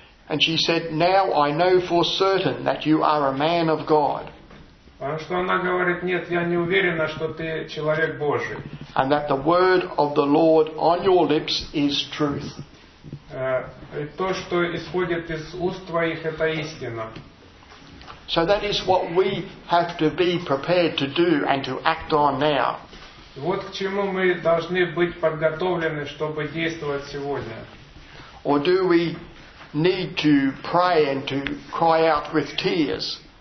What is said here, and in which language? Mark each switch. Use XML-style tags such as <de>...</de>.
<en>And she said, "Now I know for certain that you are a man of God."</en> <ru>Что она говорит? Нет, я не уверена, что ты человек Божий.</ru> <en>And that the word of the Lord on your lips is truth.</en> <ru>То, что исходит из уст твоих, это истина.</ru> <en>So that is what we have to be prepared to do and to act on now.</en> <ru>Вот к чему мы должны быть подготовлены, чтобы действовать сегодня.</ru> <en>Or do we need to pray and to cry out with tears?</en>